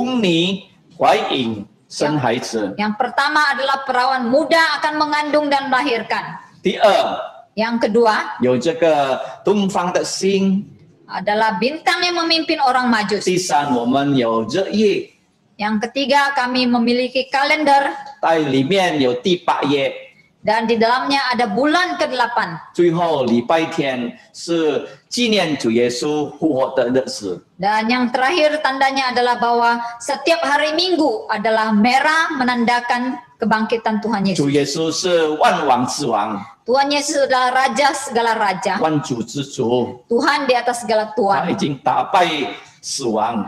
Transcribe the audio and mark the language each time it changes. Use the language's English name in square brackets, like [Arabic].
[Chinese] 就是啊童女怀孕生孩子。 [Indonesian] Yang pertama adalah perawan muda akan mengandung dan melahirkan. [Chinese] 第二, [Indonesian] yang kedua, [Chinese] 有这个东方的星, [Indonesian] adalah bintang yang memimpin orang Majus. [Chinese] 第三我们有日月, [Indonesian] yang ketiga kami memiliki kalender. [Chinese] 在里面有第八页, [Indonesian] dan di dalamnya ada bulan ke-8. [Chinese] 最后礼拜天是纪念主耶稣复活的日子。 [Indonesian] Dan yang terakhir tandanya adalah bahwa setiap hari Minggu adalah merah menandakan kebangkitan Tuhan Yesus. [Chinese] 主耶稣是万王之王。 [Indonesian] Tuhan Yesus adalah Raja segala Raja. [Chinese] 万主之主。 [Indonesian] Tuhan di atas segala Tuhan. [Chinese] 他已经打败死亡。